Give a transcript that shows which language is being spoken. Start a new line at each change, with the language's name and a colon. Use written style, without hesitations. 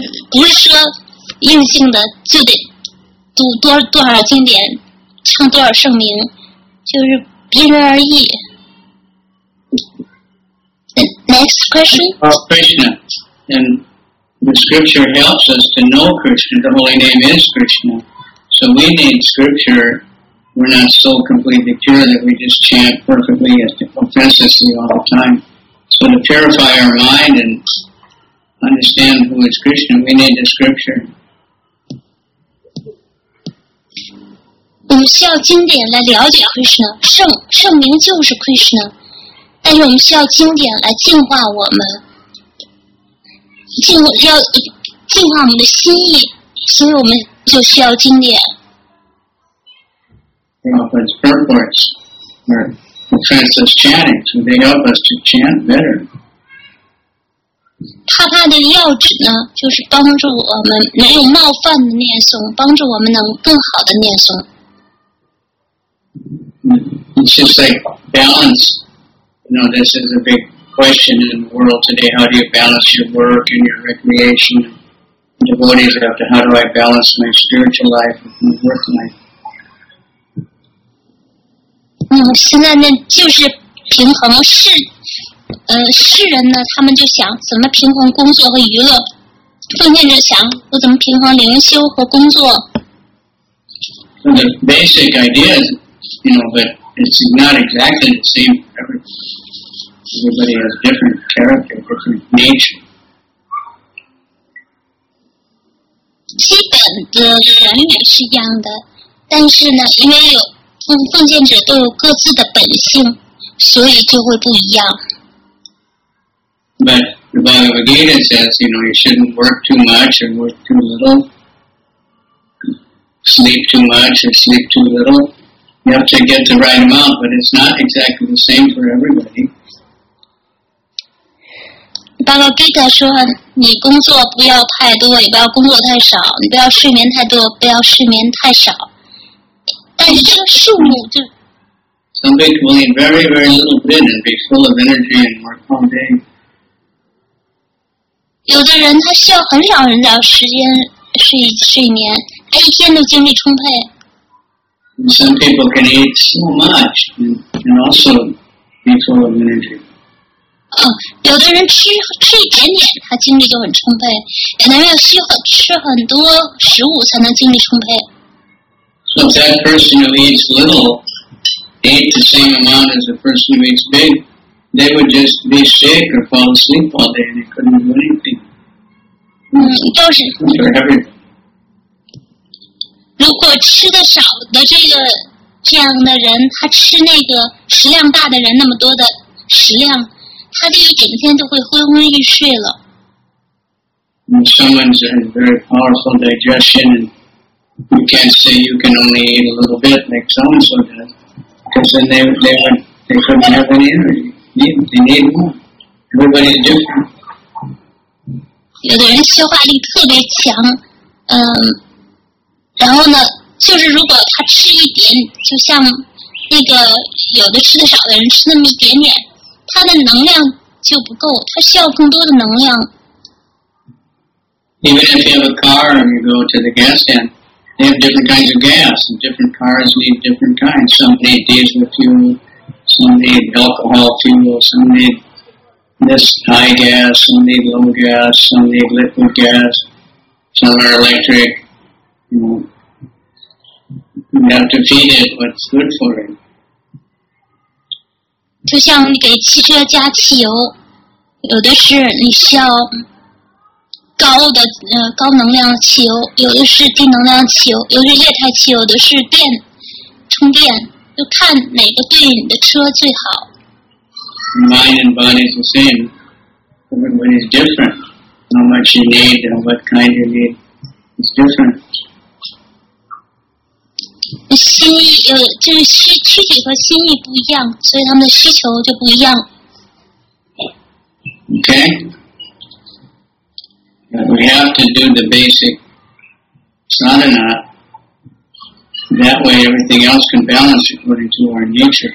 Chinese: 不是说硬性的就得读多少经典，唱多少圣名，就是因人而异。
English: Next question. About Krishna. And the scripture helps us to know Krishna. The holy name is Krishna. So we need scripture. We're not so completely pure that we just chant perfectly and professionally all the time. So to purify our mind and understand who is Krishna, we need the scripture. We need
Chinese: 经典来了解 Krishna. 圣名就是 Krishna. 但是我们需要经典来净化我们，净化我们的心意，所以我们就需要经典。
English: They help us purport, or practice chanting, so they help us to chant better.
Chinese: 帕帕的要旨呢，就是帮助我们没有冒犯的念诵，帮助我们能更好的念诵。
English: It's just like balance. You know, this is a big question in the world today. How do you balance your work and your recreation? devotees after how do I balance my spiritual life with my work life.
Chinese: 现在呢就是平衡世世人呢他们就想怎么平衡工作和娱乐，奉献者想我怎么平衡灵修和工作。
English: So the basic idea is, you know, but it's not exactly the same for everybody. Everybody has different character, different nature.
Chinese: 基本的原理是一样的，但是呢，因为有奉献者都有各自的本性，所以就会不一样。
English: But the Bhagavad Gita says, you know, you shouldn't work too much and work too little. Sleep too much or sleep too little. You have to get the right amount, but it's not exactly the same for everybody.
Chinese: Bhagavad Gita 说，你工作不要太多，也不要工作太少，你不要睡眠太多，不要睡眠太少。但是这个数目就
English: Some people will eat very, very little bit and be full of energy and work all day.
Chinese: 有的人他需要很少很少时间睡眠。他一天都精力充沛。
English: Some people can eat so much and also be full of energy.
Chinese: 有的人吃一点点，他精力就很充沛。可能要需要吃很多食物才能精力充沛。
English: So that person who eats little, eat the same amount as the person who eats big, they would just be sick or fall asleep all day and they couldn't do anything.
Chinese: 就是。
English: For everything.
Chinese: 如果吃的少的这样的人，他吃那个食量大的人那么多的食量，他就一整天都会昏昏欲睡了。
English: When someone's in very powerful digestion, you can't say you can only eat a little bit like so-and-so does, because then they couldn't have any energy. They need more. Everybody's different.
Chinese: 有的人消化力特别强，然后呢，就是如果他吃一点，就像那个有的吃的少的人吃那么一点点，他的能量就不够，他需要更多的能量。
English: Even if you have a car and you go to the gas stand, they have different kinds of gas, and different cars need different kinds. Some need diesel fuel, some need alcohol fuel, some need this high gas, some need low gas, some need liquid gas, some are electric. You have to feed it what's good for it.
Chinese: 就像你给汽车加汽油，有的是你需要高能量汽油，有的是低能量汽油，有的是液态汽油，有的是电充电，就看哪个对你的车最好。
English: Mind and body is the same. Everybody is different. How much you need and what kind you need is different.
Chinese: 心意就是躯体和心意不一样，所以他们的需求就不一样。
English: Okay, we have to do the basic sadhana. That way, everything else can balance according to our nature.